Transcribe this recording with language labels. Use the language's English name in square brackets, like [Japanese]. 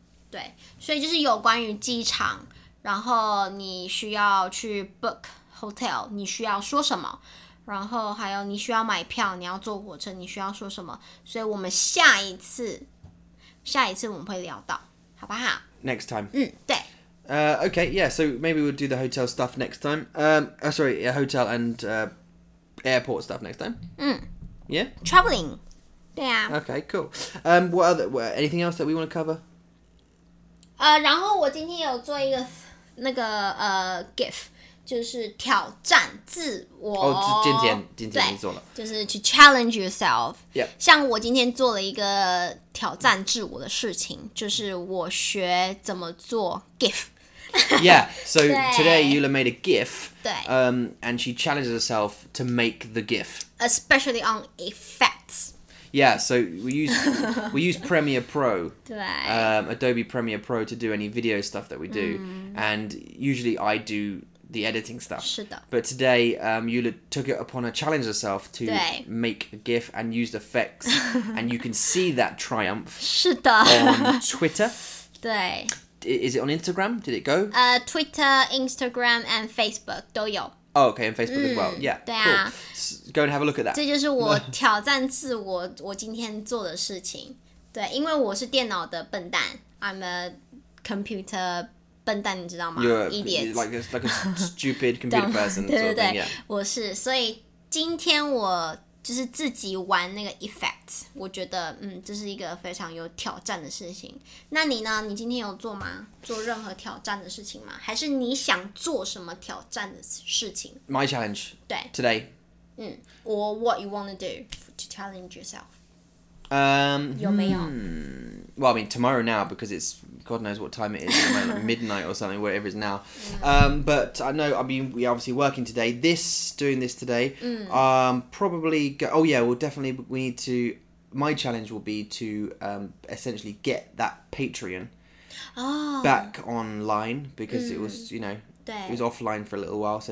[Chinese] 对，所以就是有关于机场。然后你需要去 [English] book hotel， [Chinese] 你需要说什么？然后还有你需要买票，你要坐火车，你需要说什么？所以我们下一次我们会聊到，好不好 [English] ？Next time。 [Chinese] 对。 [English] Okay, yeah. So maybe we'll do the hotel stuff next time. Hotel and airport stuff next time. Yeah. Traveling. Yeah. Okay, cool. Anything else that we want to cover? [Chinese] 然后我今天有做一个。那个GIF 就是挑战自我哦，今天你做了，就是去 [English] challenge yourself。 Yep. [Chinese] 像我今天做了一个挑战自我的事情，就是我学怎么做 GIF。 [English] Yeah, so today Eula made a GIF. [Chinese] 对。 [English] And she challenges herself to make the GIF, especially on effects. Yeah, so we use Premiere Pro, Adobe Premiere Pro to do any video stuff that we do, and usually I do the editing stuff. [Chinese] 是的。 [English] But today, Eula took it upon her challenge herself to make a GIF and use effects, and you can see that triumph. [Chinese] 是的。 [English] On Twitter. [Chinese] 对。 [English] is it on Instagram? Did it go? Twitter, Instagram, and Facebook [Chinese] 都有。 [English] Oh, okay, and Facebook as well. Yeah, [Chinese] 对啊、 [English] cool. Go and have a look at that. [Chinese] 这就是我挑战自我，我今天做的事情。对，因为我是电脑的笨蛋。 [English] I'm a computer [Chinese] 笨蛋，你知道吗 [English] ？Idiot, like a stupid computer person. [Chinese] 对对对， [English] yeah. [Chinese] 我是。所以今天我就是自己玩那个 effects， 我觉得这是一个非常有挑战的事情。那你呢？你今天有做吗？做任何挑战的事情吗？还是你想做什么挑战的事情 [English] ？My challenge. [Chinese] 对 [English] ，today. Or what you want to do to challenge yourself? [Chinese] 有没有？ [English] Well, I mean, tomorrow now, because it's God knows what time it is, midnight or something, whatever it is now. But I know, I mean, we're obviously working today. Doing this today, probably, we need to, my challenge will be to essentially get that Patreon back online, because it was, you know, it was offline for a little while.